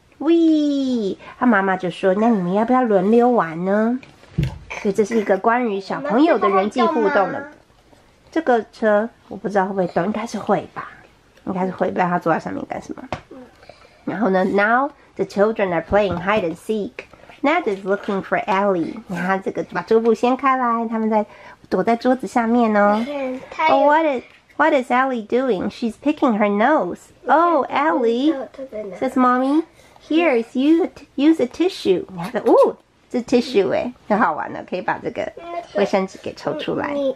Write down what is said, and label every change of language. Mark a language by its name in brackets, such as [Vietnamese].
[Chinese] Wee， 他妈妈就说，那你们要不要轮流玩呢？所以这是一个关于小朋友的人际互动的。这个车我不知道会不会动，应该是会吧，应该是会。不知道他坐在上面干什么。然后呢， [English] Now the children are playing hide and seek. Ned is looking for Ellie. [Chinese] 你看这个，把桌布掀开来，他们在躲在桌子下面哦。 [English] Oh, what is Ellie doing? She's picking her nose. Oh, Ellie, says Mommy. Here, use a tissue. [Chinese] 你看，这 tissue 哎，很好玩的，可以把这个卫生纸给抽出来。